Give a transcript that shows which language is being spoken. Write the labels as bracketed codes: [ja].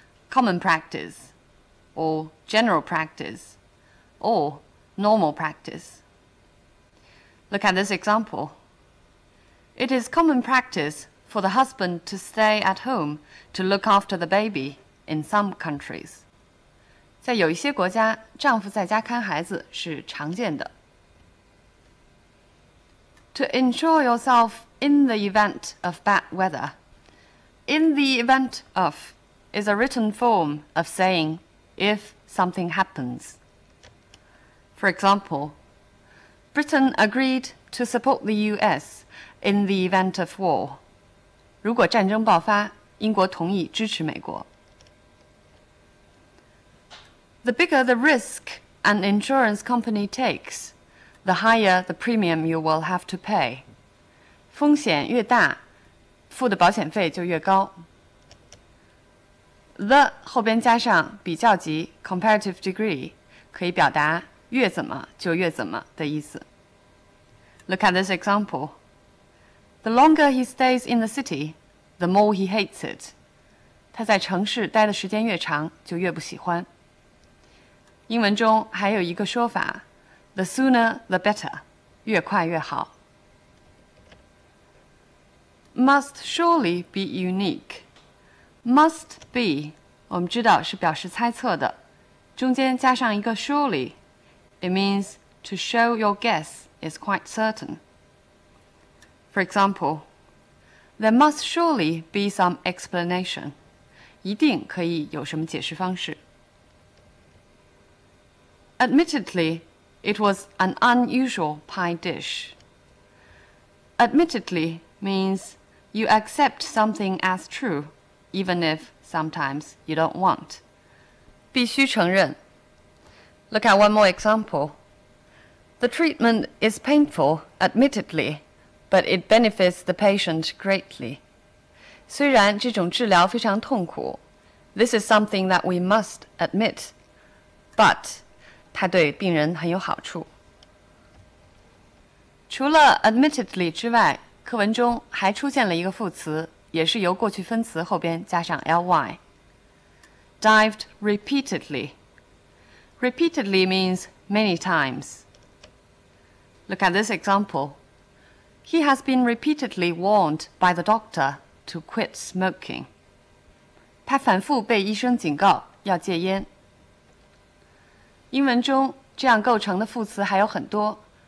[en] Common practice, or general practice, or normal practice. Look at this example. It is common practice for the husband to stay at home to look after the baby in some countries. [zh] 在有一些国家，丈夫在家看孩子是常见的。 [en] To ensure yourself in the event of bad weather. In the event of is a written form of saying if something happens. For example, Britain agreed to support the US in the event of war. [zh] 如果战争爆发，英国同意支持美国。 [en] The bigger the risk an insurance company takes, the higher the premium you will have to pay. [zh] 风险越大，付的保险费就越高。 The 后边加上比较级 comparative degree 可以表达越怎么就越怎么的意思。 [en] Look at this example. The longer he stays in the city, the more he hates it. [zh] 他在城市待的时间越长就越不喜欢。英文中还有一个说法 [en] the sooner the better, [zh] 越快越好。 [en] Must surely be unique. Must be, [zh] 我们知道是表示猜测的。中间加上一个 surely, [en] it means to show your guess is quite certain. For example, there must surely be some explanation. [zh] 一定可以有什么解释方式。 [en] Admittedly, it was an unusual pie dish. Admittedly means you accept something as true. Even if sometimes you don't want. [zh] 必须承认。 [en] Look at one more example. The treatment is painful, admittedly, but it benefits the patient greatly. [zh] 虽然这种治疗非常痛苦。 [en] This is something that we must admit, but [zh] 它对病人很有好处。除了 admittedly 之外，课文中还出现了一个副词。也是由过去分词后边加上 ly. [en] Dived repeatedly. Repeatedly means many times. Look at this example. He has been repeatedly warned by the doctor to quit smoking. [zh] 他反复被医生警告要戒烟。英文中这样构成的副词还有很多。